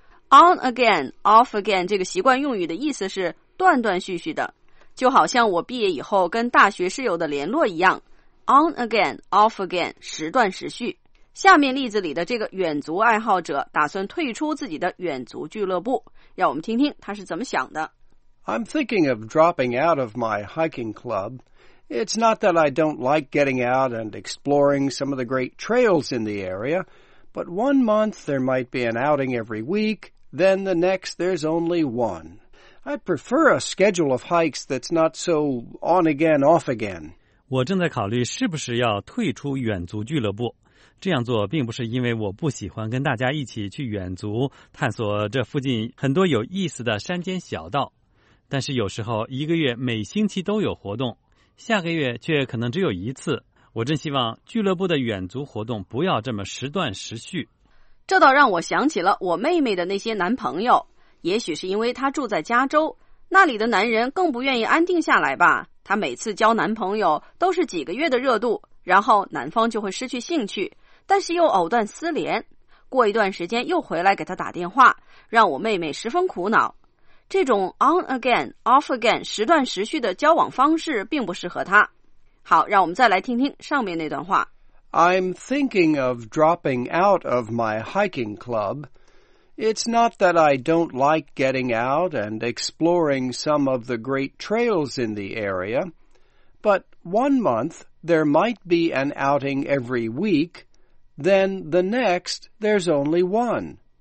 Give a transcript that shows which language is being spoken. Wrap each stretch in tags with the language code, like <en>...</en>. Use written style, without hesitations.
<zh>On again, off again 这个习惯用语的意思是断断续续的，就好像我毕业以后跟大学室友的联络一样。 On again, off again, 时断时续。下面例子里的这个远足爱好者打算退出自己的远足俱乐部，让我们听听他是怎么想的。</zh> <en>I'm thinking of dropping out of my hiking club. It's not that I don't like getting out and exploring some of the great trails in the area,But one month there might be an outing every week, then the next there's only one. I prefer a schedule of hikes that's not so on again, off again.</en> <zh>我正在考虑是不是要退出远足俱乐部。这样做并不是因为我不喜欢跟大家一起去远足，探索这附近很多有意思的山间小道。但是有时候一个月每星期都有活动，下个月却可能只有一次。我真希望俱乐部的远足活动不要这么时断时续。这倒让我想起了我妹妹的那些男朋友，也许是因为她住在加州，那里的男人更不愿意安定下来吧。她每次交男朋友都是几个月的热度，然后男方就会失去兴趣，但是又藕断丝连，过一段时间又回来给她打电话，让我妹妹十分苦恼。这种 on again, off again, 时断时续的交往方式并不适合她。好，让我们再来听听上面那段话。</zh> <en>I'm thinking of dropping out of my hiking club. It's not that I don't like getting out and exploring some of the great trails in the area, but one month there might be an outing every week, then the next there's only one.</en>